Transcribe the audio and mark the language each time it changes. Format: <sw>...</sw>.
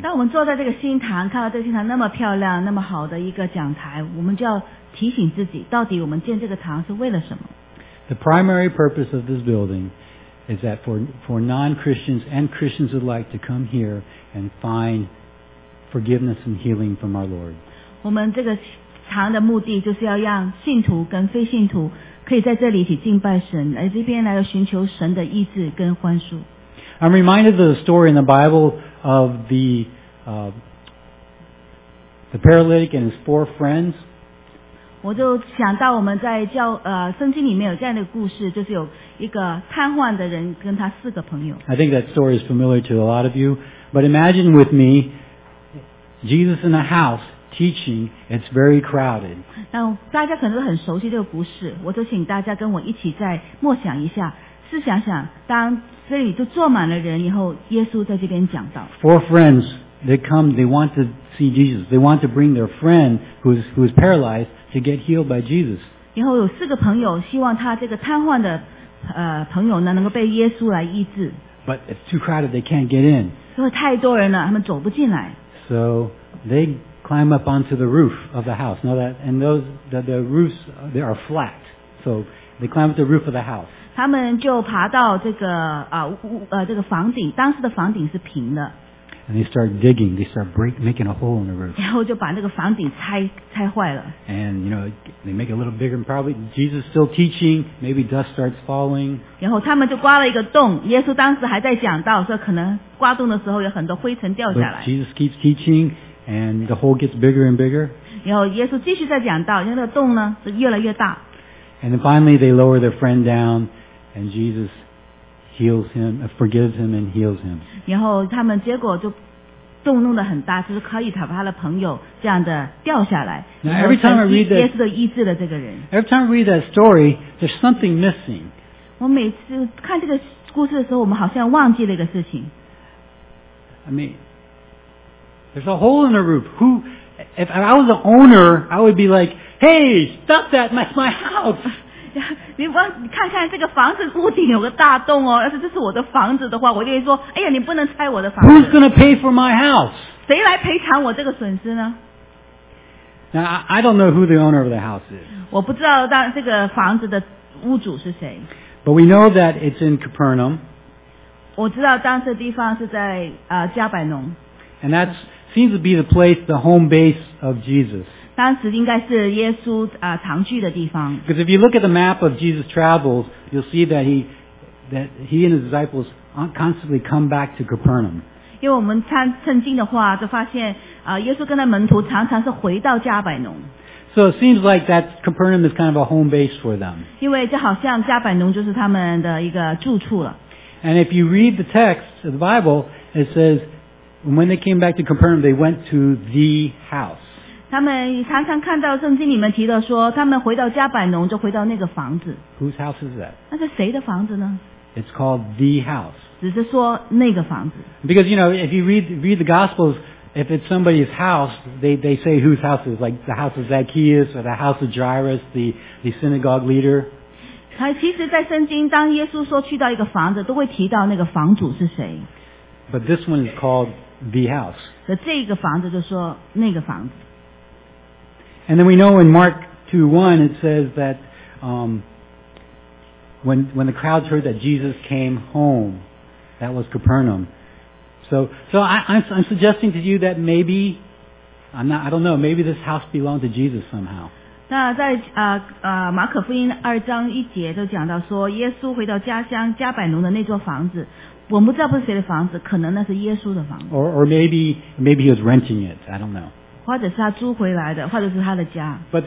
<zh>当我们坐在这个新堂，看到这个新堂那么漂亮，那么好的一个讲台，我们就要提醒自己，到底我们建这个堂是为了什么？</zh> <en>The primary purpose of this building is that for non-Christians and Christians alike to come here and find forgiveness and healing from our Lord.</en> <zh>我们这个堂的目的就是要让信徒跟非信徒可以在这里一起敬拜神，来这边来寻求神的医治跟宽恕。</zh> <en>I'm reminded of the story in the Bible of the paralytic and his four friends.</en> <zh>我就想到我们在圣经里面有这样的故事，就是有一个瘫痪的人跟他四个朋友。</zh> <en>I think that story is familiar to a lot of you, but imagine with meJesus in a house teaching, it's very crowded.</en> <zh>那大家可能很熟悉这个故事，我就请大家跟我一起再默想一下，试想想，当这里就坐满了人以后，耶稣在这边讲道。</zh> <en>Four friends, they come, they want to see Jesus. They want to bring their friend who's paralyzed to get healed by Jesus.</en> <zh>然后有四个朋友希望他这个瘫痪的朋友呢能够被耶稣来医治。</zh> <en>But it's too crowded, they can't get in.</en> <zh>因为太多人了，他们走不进来。</zh> <en>So they climb up onto the roof of the house. Now that and those that the roofs they are flat, so they climb up the roof of the house.</en> <zh>他们就爬到这个这个房顶，当时的房顶是平的。</zh> <en>And they start digging. They start making a hole in the roof.</en> <zh>然后就把那个房顶拆坏了。</zh> <en>And you know they make it a little bigger. And probably Jesus still teaching. Maybe dust starts falling.</en> <zh>然后他们就刮了一个洞。耶稣当时还在讲道，说可能刮洞的时候有很多灰尘掉下来。</zh> <en>But Jesus keeps teaching, and the hole gets bigger and bigger.</en> <zh>然后耶稣继续在讲道，那个洞呢是越来越大。</zh> <en>And then finally they lower their friend down, and Jesus. Heals him, forgives him, and heals him.</en> <zh>然后他们结果就动弄得很大，就是可以把他的朋友这样的掉下来。</zh> <en>Now every time I read that,</en> <zh>耶稣就医治了这个人。</zh> <en>Every time I read that story, there's something missing.</en> <zh>我每次看这个故事的时候，我们好像忘记了一个事情。</zh> <en>I mean, there's a hole in the roof. Who, if I was the owner, I would be like, "Hey, stop that! That's my house."</en> <zh>你看看这个房子屋顶有个大洞哦，要是这是我的房子的话，我就会说，哎呀，你不能拆我的房子。</zh> <en>Who's going to pay for my house?</en> <zh>谁来赔偿我这个损失呢？</zh> <en>Now, I don't know who the owner of the house is.</en> <zh>我不知道这个房子的屋主是谁。</zh> <en>But we know that it's in Capernaum.</en> <zh>我知道当时的地方是在加百农。</zh> <en>And that seems to be the place, the home base of Jesus.</en> <zh>当时应该是耶稣常居的地方。</zh> <en>Because if you look at the map of Jesus' travels, you'll see that he and his disciples constantly come back to Capernaum.</en> <zh>因为我们看圣经的话，就发现耶稣跟他门徒常常是回到加百农。</zh> <en>So it seems like that Capernaum is kind of a home base for them.</en> <zh>因为就好像加百农就是他们的一个住处了。</zh> <en>And if you read the text of the Bible, it says, when they came back to Capernaum, they went to the house.</en> <zh>他们常常看到圣经里面提到说，他们回到加百农就回到那个房子。</zh> <en>Whose house is that?</en> <zh>那是谁的房子呢？</zh> <en>It's called the house.</en> <zh>只是说那个房子。</zh> <en>Because, you know, if you read the Gospels,If it's somebody's house, they say whose house is, like the house of Zacchaeus or the house of Jairus, the synagogue leader.</en> <zh>其实在圣经当耶稣说去到一个房子都会提到那个房主是谁。</zh> <en>But this one is called the house.</en> <zh>所以这个房子就说那个房子。</zh> <en>And then we know in Mark 2:1 it says that when the crowds heard that Jesus came home, that was Capernaum. So I'm suggesting to you that maybe, maybe this house belonged to Jesus somehow.</en> <zh>那在马可福音二章一节就讲到说，耶稣回到家乡加百农的那座房子，我们不知道不是谁的房子，可能那是耶稣的房子。</zh> <en>Or maybe he was renting it. I don't know.</en> <zh>或者是他租回来的，或者是他的家。</zh>